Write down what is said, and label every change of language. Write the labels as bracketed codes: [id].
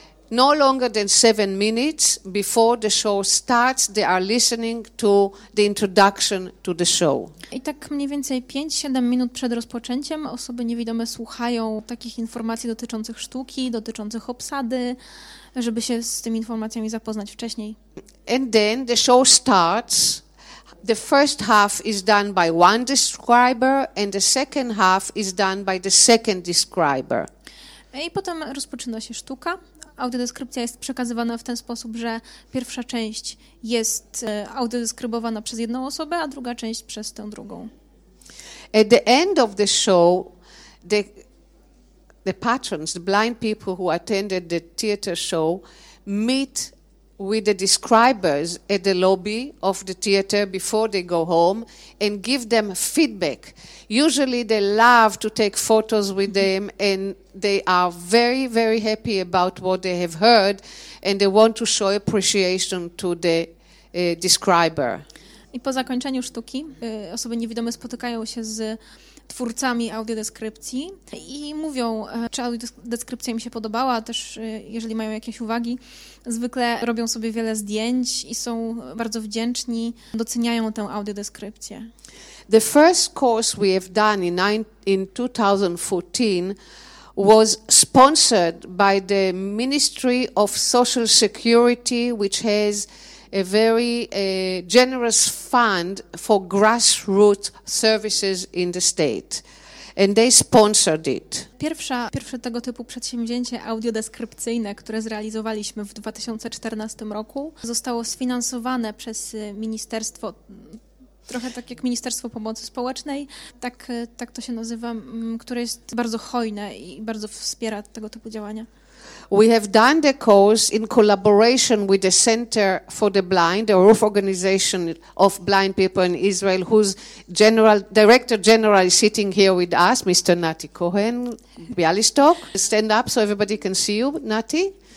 [en] No longer than 7 minutes before the show starts, they are listening to the introduction to the show. [pl] I tak mniej więcej 5-7 minut przed rozpoczęciem osoby niewidome słuchają takich informacji dotyczących sztuki, dotyczących obsady, żeby się z tymi informacjami zapoznać wcześniej. [en] And then the show starts. The first half is done by one describer and the second half is done by the second describer. [pl] I potem rozpoczyna się sztuka. Audiodeskrypcja jest przekazywana w ten sposób, że pierwsza część jest audiodeskrybowana przez jedną osobę, a druga część przez tę drugą. [en] At the end of the show, the patrons, the blind people who attended the theater show, meet with the describers at the lobby of the theater before they go home and give them feedback. Usually they love to take photos with them and they are very, very happy about what they have heard and they want to show appreciation to the describer. [pl] I po zakończeniu sztuki osoby niewidome spotykają się z twórcami audiodeskrypcji i mówią, czy audiodeskrypcja im się podobała, też jeżeli mają jakieś uwagi. Zwykle robią sobie wiele zdjęć i są bardzo wdzięczni, doceniają tę audiodeskrypcję. [en] The first course we have done in 2014 was sponsored by the Ministry of Social Security, which has a very generous fund for grassroots services in the state, and they sponsored it. [pl] Pierwsze tego typu przedsięwzięcie audiodeskrypcyjne, które zrealizowaliśmy w 2014 roku, zostało sfinansowane przez ministerstwo, trochę tak jak Ministerstwo Pomocy Społecznej, tak to się nazywa, które jest bardzo hojne i bardzo wspiera tego typu działania. [en] We have done the course in collaboration with the Center for the Blind, the roof organization of blind people in Israel, whose director general is sitting here with us, Mr. Nati Cohen, Bialystok. Stand up so everybody can see you, Nati.